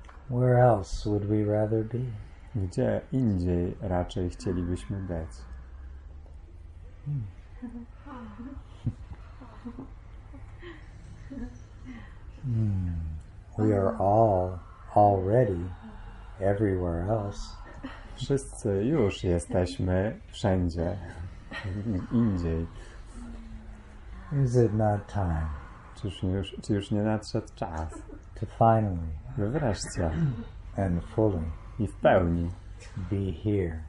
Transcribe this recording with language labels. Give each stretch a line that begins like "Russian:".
English: Where else would we rather be?
Polish: Gdzie indziej raczej chcielibyśmy być?
English: We are all already everywhere else.
Polish: Wszyscy już jesteśmy wszędzie, indziej.
English: Is it not time?
Polish: Czy już nie nadszedł czas?
English: To finally.
Polish: By wreszcie.
English: And fully.
Polish: I w pełni.
English: Be here.